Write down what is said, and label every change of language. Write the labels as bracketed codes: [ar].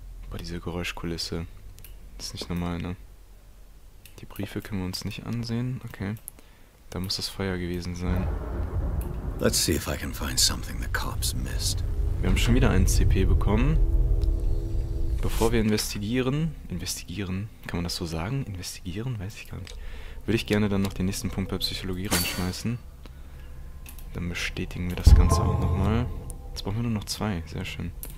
[de] Boah, diese Geräuschkulisse. Das ist nicht normal, ne? Die Briefe können wir uns nicht ansehen. Okay. Da muss das Feuer gewesen sein. [en] Let's see if I can find something the cops missed. [de] Wir haben schon wieder einen CP bekommen. Bevor wir investigieren, kann man das so sagen? Investigieren? Weiß ich gar nicht. Würde ich gerne dann noch den nächsten Punkt bei Psychologie reinschmeißen. Dann bestätigen wir das Ganze auch nochmal. Jetzt brauchen wir nur noch zwei, sehr schön.